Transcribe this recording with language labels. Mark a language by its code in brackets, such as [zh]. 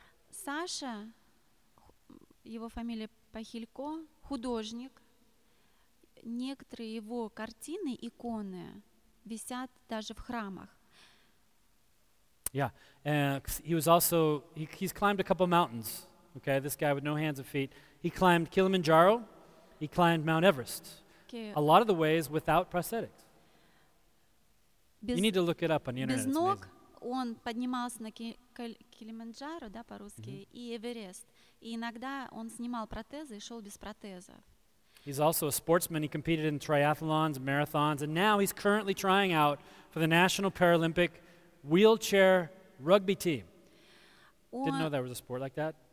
[ru] Sasha, его фамилия Пахилько, художник. Некоторые его картины, иконы, висят даже в храмах. [en] Yeah, and he was also, he's climbed a couple mountains, okay, this guy with no hands and feet. He climbed Kilimanjaro, he climbed Mount Everest. Okay. A lot of the ways without prosthetics. You need to look it up on the internet, it's amazing. [ru] Он поднимался на Килиманджаро, да, по-русски, mm-hmm. и Эверест. И иногда он снимал протезы и шел без протезов. [en] He's also a sportsman. He competed in triathlons, marathons, and now he's currently trying out for the National Paralympic wheelchair rugby team. [ru] Он, [en] didn't know there was a sport like that.